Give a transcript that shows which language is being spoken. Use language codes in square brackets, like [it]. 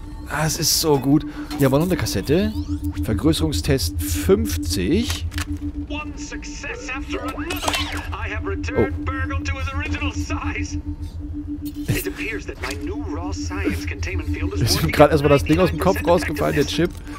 [de] Ah, es ist so gut. Hier haben wir noch eine Kassette. Vergrößerungstest 50. [en] One success after another. I have returned Burgle to his original size. It appears that my new raw science containment field is... [de] Ist mir gerade erstmal das Ding aus dem Kopf rausgefallen, der Chip.